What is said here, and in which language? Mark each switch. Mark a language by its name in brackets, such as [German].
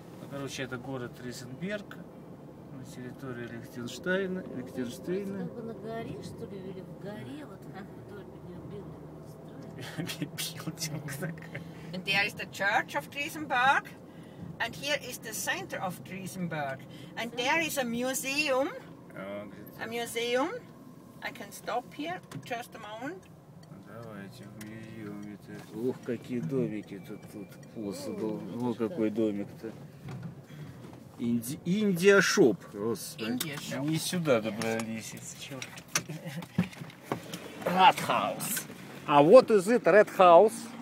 [Russian] Короче, это город Триесенберг. Территория Лихтенштейна. Как бы на горе, что ли, или в горе, вот как вдоль меня белый [English] building. And there is the church of Driesenberg. And here is the center of Driesenberg. And there is a museum. A museum. I can stop here just a moment. [Russian] Давайте в музее. Ух, какие домики тут, тут посуду. О, какой домик-то. Индия шоп. Господи. Не сюда добрались. [English] Yes. Red House. [Russian] А вот из это Red House.